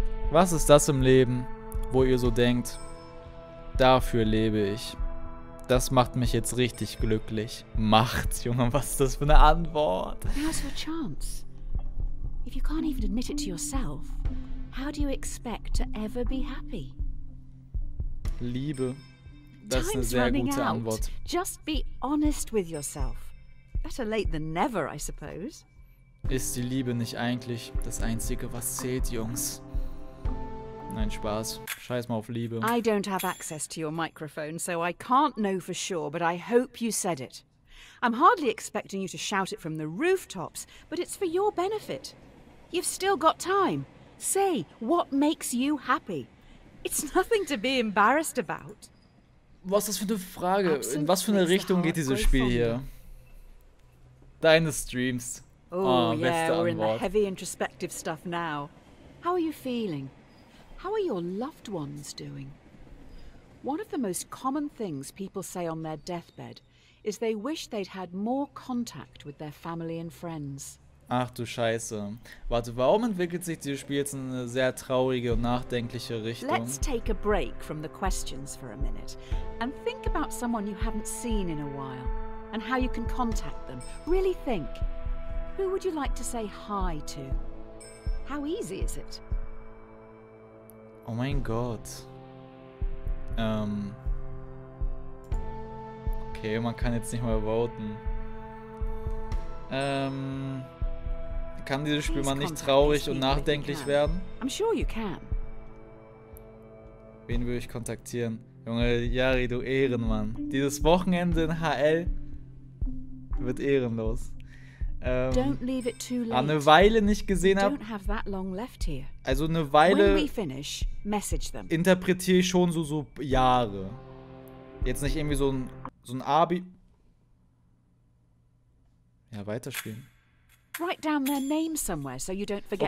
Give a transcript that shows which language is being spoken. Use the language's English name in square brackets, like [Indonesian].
[German] Was ist das im Leben, wo ihr so denkt, dafür lebe ich? Das macht mich jetzt richtig glücklich. Macht, Junge, was ist das für eine Antwort? [English] Now's your chance. If you can't even admit it to yourself, how do you expect to ever be happy? [German] Liebe. Das ist eine sehr gute Antwort. [English] Just be honest with yourself. Better late than never, I suppose. [German] Ist die Liebe nicht eigentlich das Einzige, was zählt, Jungs? Nein, Spaß. Scheiß mal auf Liebe. [English] I don't have access to your microphone, so I can't know for sure, but I hope you said it. I'm hardly expecting you to shout it from the rooftops, but it's for your benefit. You've still got time. Say, what makes you happy? It's nothing to be embarrassed about. [German] Was ist das für eine Frage? In was für eine Richtung geht dieses Spiel hier? Deine Streams. [English] Oh, yeah, we're in the heavy introspective stuff now. How are you feeling? How are your loved ones doing? One of the most common things people say on their deathbed is they wish they'd had more contact with their family and friends. [German] Ach du Scheiße. Warte, warum entwickelt sich dieses Spiel jetzt in eine sehr traurige und nachdenkliche Richtung? [English] Let's take a break from the questions for a minute and think about someone you haven't seen in a while and how you can contact them. Really think. Who would you like to say hi to? How easy is it? [German] Oh mein Gott. Okay, man kann jetzt nicht mehr voten. Kann dieses Spiel mal nicht traurig und nachdenklich werden? [English] I'm sure you can. [German] Wen würde ich kontaktieren? Junge, Yari, du Ehrenmann. Dieses Wochenende in HL wird ehrenlos. [English] Don't leave it too late. [German] Eine Weile nicht gesehen habe. [English] Don't have that long left here. [German] Also eine Weile. [English] When we finish, message them. [German] Interpretiere ich schon so Jahre. Jetzt nicht irgendwie so ein Abi. Ja, weiterspielen. [English] Write down their name somewhere, so you don't forget